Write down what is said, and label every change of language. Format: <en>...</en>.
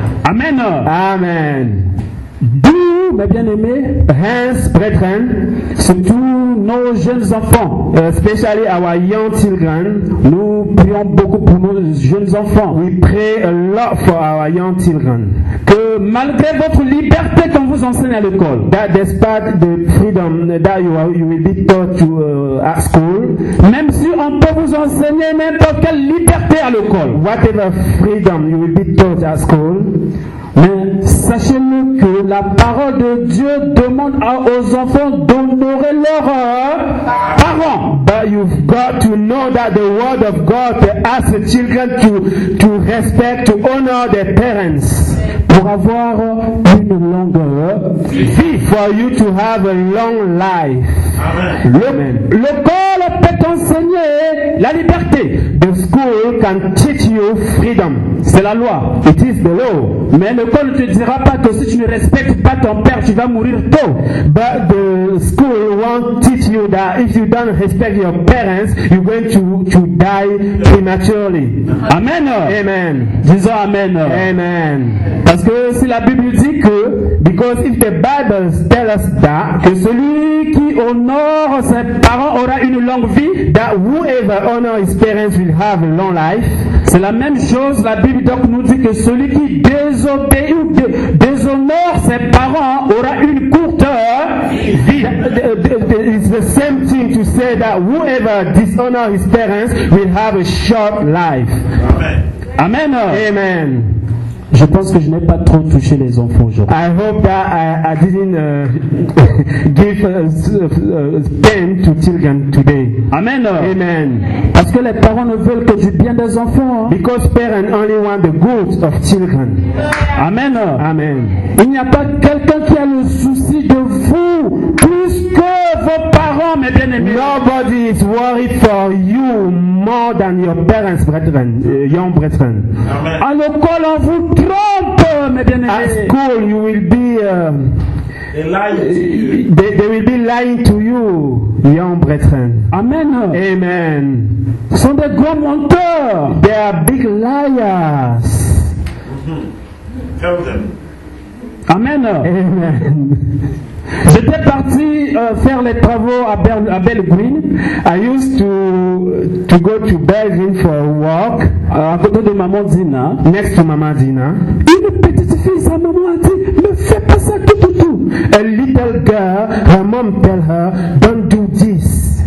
<fr>Amen. Amen. D'où, mes bien-aimés,</fr> <en>hence, brethren,</en> <fr>surtout nos jeunes enfants,</fr> <en>especially our young children,</en> <fr>nous prions beaucoup pour nos jeunes enfants.</fr> <en>We pray a lot for our young children.</en> <fr>Que malgré votre liberté qu'on vous enseigne à l'école,</fr> <en>that despite the freedom that you will be taught to at school,</en> <fr>même si on peut vous enseigner n'importe quelle liberté à l'école,</fr> <en>whatever freedom you will be taught at school,</en> <fr>mais sachez-le que la parole de Dieu demande aux enfants d'honorer leurs parents.</fr> <en>But you've got to know that the word of God asks the children to respect, to honor their parents.</en> <fr>Pour avoir une longue</fr> <en>vie. For you to have a long life.</en> <fr>Amen. L'école peut enseigner la liberté.</fr> <en>The school can teach you freedom.</en> <fr>C'est la loi.</fr> <en>It is the law.</en> <fr>Mais l'école ne te dira pas que si tu ne respectes pas ton père, tu vas mourir tôt.</fr> <en>But the school won't teach you that if you don't respect your parents, you're going to die prematurely. Amen. Amen. Disons amen. Amen.</en> <fr>Parce que si la Bible dit que,</fr> <en>because if the Bible tells us that,</en> <fr>que celui qui honore ses parents aura une longue vie,</fr> <en>that whoever honors his parents will have a long life.</en> <fr>C'est la même chose, la Bible donc nous dit que celui qui désobéit ou déshonore ses parents aura une courte vie.</fr> <en>It's the same thing to say that whoever dishonors his parents will have a short life. Amen. Amen. Amen.</en> <fr>Je pense que je n'ai pas trop touché les enfants aujourd'hui.</fr> <en>I hope that I didn't give pain to children today. Amen. Amen.</en> <fr>Parce que les parents ne veulent que du bien des enfants. Hein?</fr> <en>Because parents only want the good of children. Amen. Amen.</en> <fr>Il n'y a pas quelqu'un qui a le souci de vous plus que vos parents, mes bien-aimés.</fr> <en>Nobody is worried for you more than your parents, brethren, young brethren.</en> <fr>Amen. À l'école, on vous trompe, mes bien-aimés.</fr> <en>At school, you will be They will be lying to you, young brethren. Amen. Amen.</en> <fr>Sont des grands menteurs.</fr> <en>They are big liars. Tell them. Amen. Amen.</en> <fr>J'étais parti faire les travaux à Belgrin.</fr> <en>I used to go to Belgrin for a walk.</en> <fr>À côté de maman Dina.</fr> <en>Next to Mama Dina.</en> <fr>Une petite fille, sa maman a dit, ne fais pas ça tout tout tout.</fr> <en>A little girl, her mom tell her, don't do this.</en>